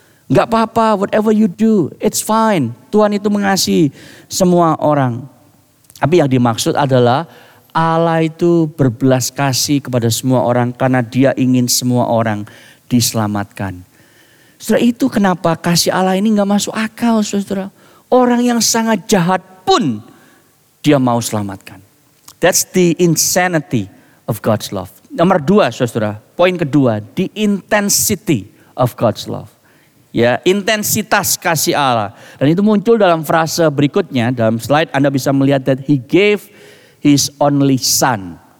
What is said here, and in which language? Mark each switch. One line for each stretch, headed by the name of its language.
Indonesian: Gak apa-apa,
English: whatever you do, it's fine.
Indonesian: Tuhan itu mengasihi semua orang. Tapi yang dimaksud adalah Allah itu berbelas kasih kepada semua orang karena dia ingin semua orang diselamatkan. Saudara, itu kenapa kasih Allah ini gak masuk akal, saudara. Orang yang sangat jahat pun dia mau selamatkan.
English: That's the insanity of God's love.
Indonesian: Nomor 2, saudara. Poin kedua,
English: the intensity of God's love.
Indonesian: Ya, intensitas kasih Allah. Dan itu muncul dalam frase berikutnya. Dalam slide Anda bisa melihat
English: that he gave his only son.